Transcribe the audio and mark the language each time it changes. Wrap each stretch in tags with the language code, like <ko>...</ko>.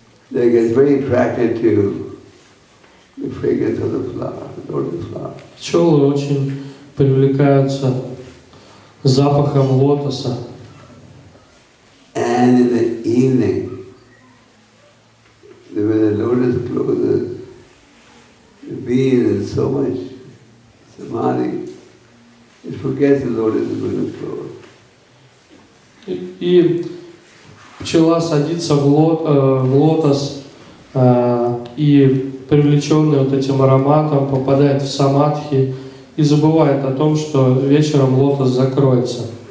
<en>They get very attracted to the fragrance of the flower, the lotus flower.</en> <ru>Пчелы очень привлекаются запахом лотоса.</ru> <en>And in the evening, when the lotus closes, the bee is in so much samadhi, it forgets the lotus is going to close.</en> <ru>И пчела садится в лотос, и привлеченный вот этим ароматом попадает в самадхи и забывает о том, что вечером лотос закроется.</ru>